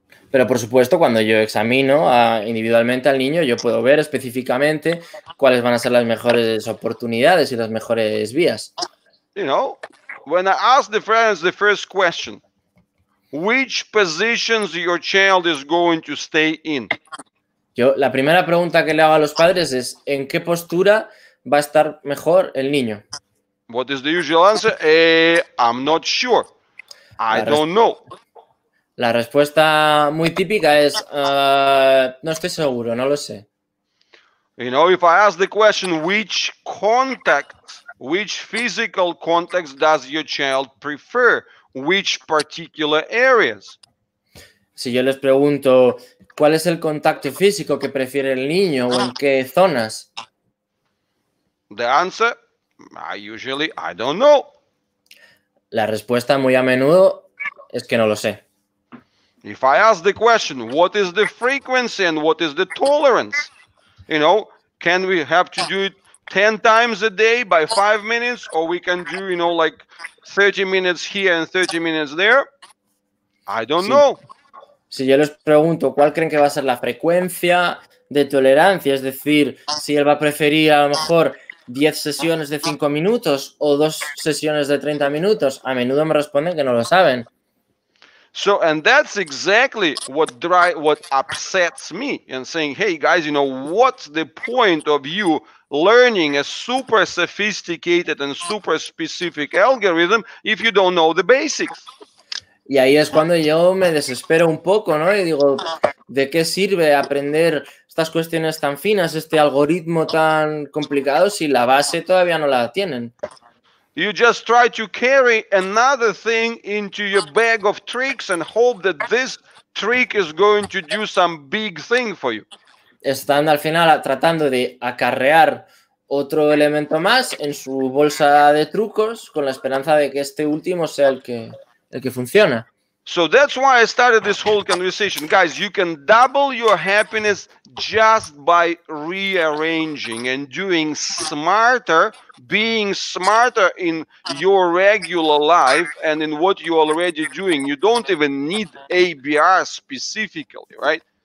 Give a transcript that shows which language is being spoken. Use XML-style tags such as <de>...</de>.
<es>Pero por supuesto, cuando yo examino individualmente al niño, yo puedo ver específicamente cuáles van a ser las mejores oportunidades y las mejores vías.</es> <en>You know, when I ask the parents the first question, which positions your child is going to stay in?</en> <es>Yo la primera pregunta que le hago a los padres es ¿en qué postura va a estar mejor el niño?</es> <en>What is the usual answer? I'm not sure. I don't know.</en> <es>La respuesta muy típica es no estoy seguro, no lo sé.</es> <en>You know, if I ask the question which contact, which physical context does your child prefer, which particular areas?</en> <es>Si yo les pregunto cuál es el contacto físico que prefiere el niño o en qué zonas.</es> <en>The answer, I don't know.</en> <es>La respuesta muy a menudo es que no lo sé.</es> <en>If I ask the question, what is the frequency and what is the tolerance? You know, can we have to do it 10 times a day by 5 minutes, or we can do, you know, like 30 minutes here and 30 minutes there? I don't know.</en> <es>Si yo les pregunto cuál creen que va a ser la frecuencia de tolerancia, es decir, si él va a preferir a lo mejor 10 sesiones de 5 minutos o 2 sesiones de 30 minutos, a menudo me responden que no lo saben.</es> <en>So, and that's exactly what upsets me and saying, hey guys, you know, what's the point of you learning a super sophisticated and super specific algorithm if you don't know the basics?</en> <es>Y ahí es cuando yo me desespero un poco, ¿no? Y digo, ¿de qué sirve aprender estas cuestiones tan finas, este algoritmo tan complicado, si la base todavía no la tienen?</es> <en>You just try to carry another thing into your bag of tricks and hope that this trick is going to do some big thing for you.</en> <es>Están al final tratando de acarrear otro elemento más en su bolsa de trucos con la esperanza de que este último sea el que funciona.</es> <en>So that's why I started this whole conversation. Guys, you can double your happiness just by rearranging and doing smarter, being smarter in your regular life and in what you're already doing. You don't even need ABR specifically, right?</en>